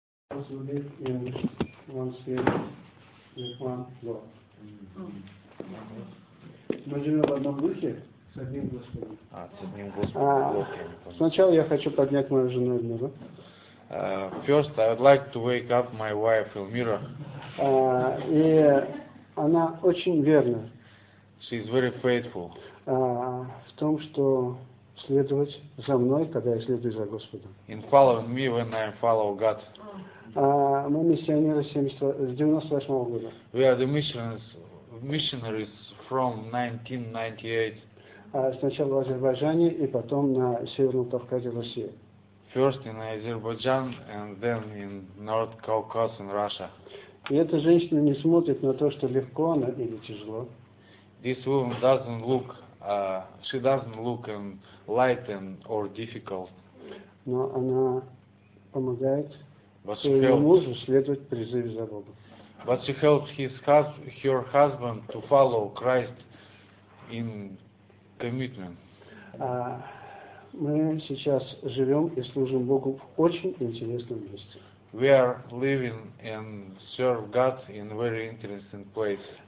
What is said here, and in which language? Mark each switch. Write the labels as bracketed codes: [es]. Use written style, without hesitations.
[en] wants to live in one state with one law. Imagine [ru] в одном духе с одним Господом. Сначала я хочу поднять мою жену Эльмиру. [en] First, I would like to wake up my wife Elmira. [ru] И она очень верна. [en] She is very faithful. [ru] В том, что следовать за мной, когда я следую за Господом. [en] In following me when I follow God. [ru] Мы миссионеры с 98 года. [en] We are the missionaries from 1998. [ru] Сначала в Азербайджане и потом на Северном Кавказе в России. [en] First in Azerbaijan and then in North Caucasus in Russia. [ru] И эта женщина не смотрит на то, что легко она или тяжело. [en] This woman doesn't look, she doesn't look and light and or difficult. [ru] Но она помогает своему мужу следовать призыву за Бога. [en] But she helps her husband to follow Christ in commitment. [ru] Мы сейчас живем и служим Богу в очень интересном месте. [en] We are living and serve God in a very interesting place.